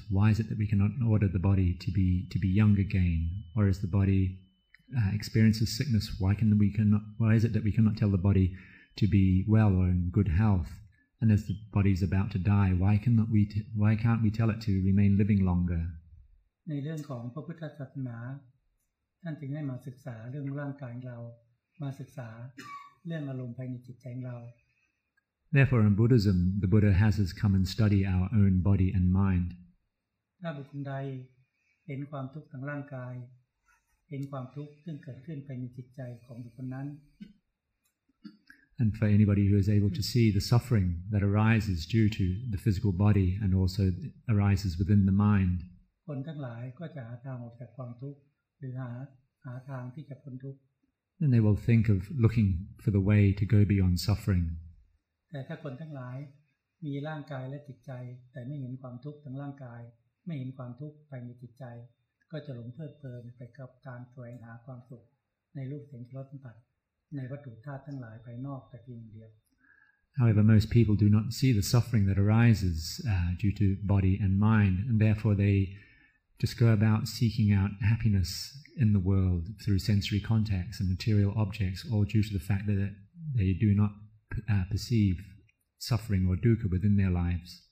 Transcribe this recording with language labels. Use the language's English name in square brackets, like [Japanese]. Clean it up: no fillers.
[English] Why is it that we cannot order the body to be young again? Or as the body experiences sickness, why is it that we cannot tell the body to be well or in good health? And as the body is about to die, why can't we tell it to remain living longer? [Thai] ในเรื่องของพระพุทธศาสนาท่านจึงให้มาศึกษาเรื่องร่างกายเรามาศึกษาเรื่องอารมณ์ภายในจิตใจเรา [English] Therefore in Buddhism the Buddha has us come and study our own body and mind. [Thai] ถ้าบุคคลใดเห็นความทุกข์ทางร่างกายเห็นความทุกข์ซึ่งเกิดขึ้นภายในจิตใจของบุคคลนั้น [English] And for anybody who is able to see the suffering that arises due to the physical body and also arises within the mind. [Thai] คนทั้งหลายก็จะหาทางออกจากความทุกข์หรือหาทางที่จะพ้นทุกข์ [English] Then they will think of looking for the way to go beyond suffering. [Thai] แต่ถ้าคนทั้งหลายมีร่างกายและจิตใจแต่ไม่เห็นความทุกข์ทั้งร่างกายไม่เห็นความทุกข์ภายในจิตใจก็จะหลงเพลิดเพลินไปกับการแสวงหาความสุขในรูปเสียงรสสัมผัสในวัตถุธาตุทั้งหลายภายนอกแต่เพียงเดียว [English] However, most people do not see the suffering that arises due to body and mind, and therefore theyJust go about seeking out happiness in the world through sensory contacts and material objects, all due to the fact that they do not perceive suffering or dukkha within their lives.